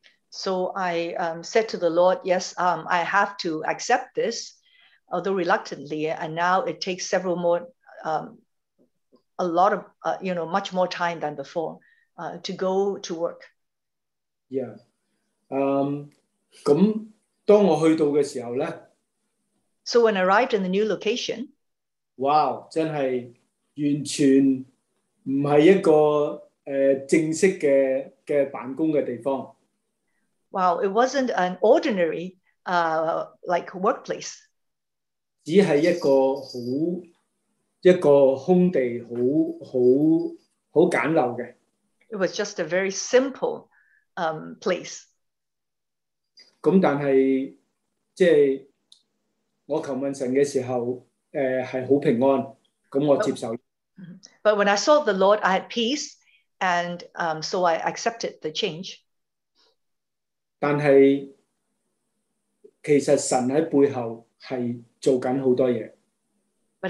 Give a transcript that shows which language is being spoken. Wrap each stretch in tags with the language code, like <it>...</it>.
<en>So I said to the Lord, yes, I have to accept this, although reluctantly, and now it takes several more, a lot of, you know, much more time than before to go to work.</en> <zh>Yeah. 當我去到的時候呢?</zh> <en>So when I arrived in the new location,</en> <zh>wow, 真是完全不是一個正式的辦公的地方。</zh> <en>Wow, it wasn't an ordinary like workplace.</en> <zh>只是一個空地很簡陋的。</zh> <en>It was just a very simple place.</en> <zh>但是我求問神的時候是很平安，我接受。</zh> <en>But when I saw the Lord, I had peace, and so I accepted the change.</en> <zh>但是其實神在背後是在做很多事。But</zh>